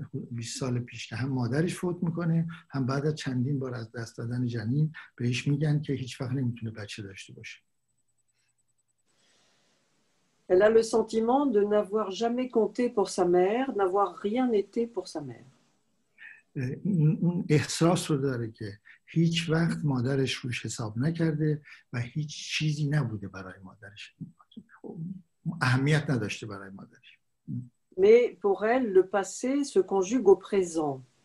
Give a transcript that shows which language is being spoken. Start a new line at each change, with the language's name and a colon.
Persian: بیست سال پیش که هم مادرش فوت میکنه هم بعد از چندین بار از دست دادن جنین بهش میگن که هیچ وقت نمیتونه بچه داشته باشه.
French: Elle a le sentiment de n'avoir jamais compté pour sa mère, n'avoir rien été pour sa mère.
Persian: اون احساس رو داره که هیچ وقت مادرش روش حساب نکرده و هیچ چیزی نبوده برای مادرش. اهمیت نداشته برای مادرش.
French: Mais pour elle, le passé se conjugue au présent.